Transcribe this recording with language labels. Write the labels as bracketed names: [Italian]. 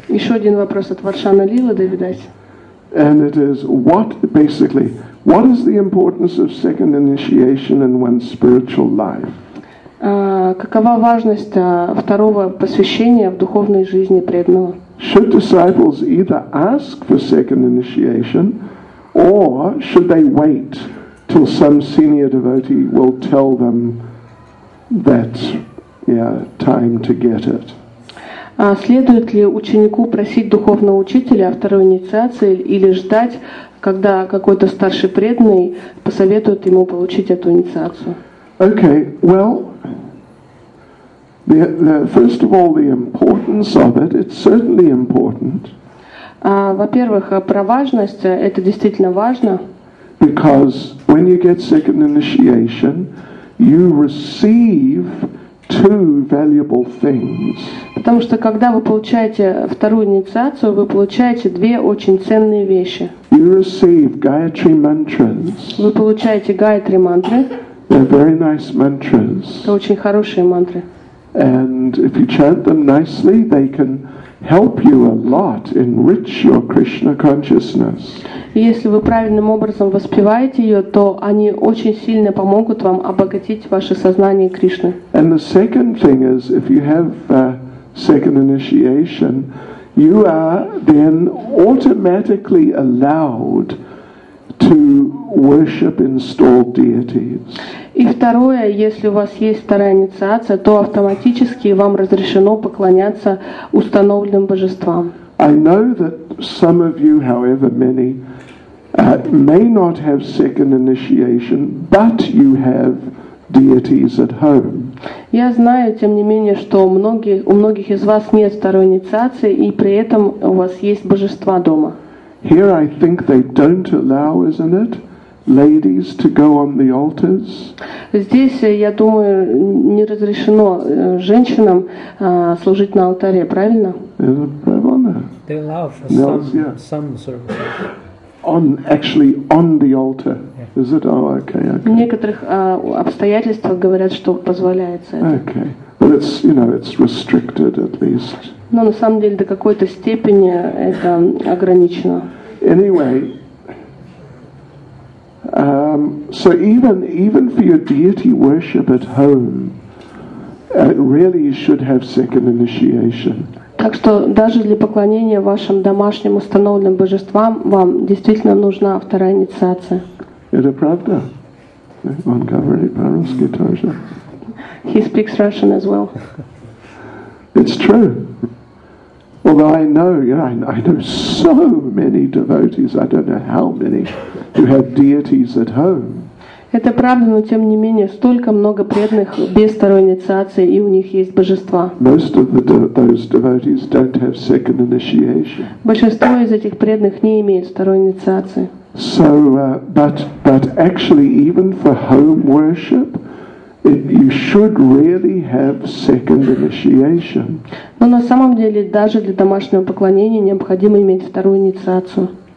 [Russian] Еще один вопрос от Варшана Лила Деви Даси. [English] And it is what is the importance of second initiation in one's spiritual life? [Russian] Какова важность второго посвящения в духовной жизни преданного? [English] Should disciples either ask for second initiation, or should they wait till some senior devotee will tell them? That, yeah, time to get it. [Russian] Следует ли ученику просить духовного учителя о второй инициации или ждать, когда какой-то старший преданный посоветует ему получить эту инициацию? [English] Okay, well, the first of all, the importance of it. It's certainly important. [Russian] Во-первых, про важность. Это действительно важно. [English] Because when you get second initiation. you receive two valuable things. [Russian] Потому что когда вы получаете вторую инициацию, вы получаете две очень ценные вещи. [English] You receive Gayatri mantras. [Russian] Вы получаете Гаятри мантры. [English] They're very nice mantras. [Russian] Это очень хорошие мантры. [English] And if you chant them nicely, they can help you a lot, enrich your Krishna consciousness. [Russian] Если вы правильным образом воспеваете ее, то они очень сильно помогут вам обогатить ваше сознание Кришны. [English] And the second thing is, if you have second initiation, you are then automatically allowed to worship installed deities. [Russian] И второе, если у вас есть вторая инициация, то автоматически вам разрешено поклоняться установленным божествам. [English] I know that some of you, however many, may not have second initiation, but you have deities at home. [Russian] Я знаю, тем не менее, что у многих из вас нет второй инициации, и при этом у вас есть божества дома. [English] Here I think they don't allow, isn't it, ladies to go on the altars? [Russian] Здесь, я думаю, не разрешено женщинам служить на алтаре, правильно? [English] Isn't it [Russian] правильно? [English] They allow for some services. On the altar, yeah. Is it? Oh, okay. [Russian] В некоторых обстоятельствах говорят, что позволяется это. [English] Okay, but it's, you know, it's restricted at least. [Russian] Но на самом деле до какой-то степени это ограничено. [English] Anyway, so even for your deity worship at home, really you should have second initiation. [Russian] Так что даже для поклонения вашим домашним установленным божествам вам действительно нужна вторая инициация. Это правда? Он говорит по-русски тоже. [English] He speaks Russian as well. It's true. Although I know, you know, I know so many devotees, I don't know how many, who have deities at home. [Russian] Это правда, но тем не менее, столько много преданных без второй инициации, и у них есть божества. [English] Most of those devotees don't have second initiation. [Russian] Большинство из этих преданных не имеет второй инициации. [English] So, but actually, even for home worship, you should really have second initiation. [Russian] Но на самом деле даже для домашнего поклонения необходимо иметь вторую инициацию.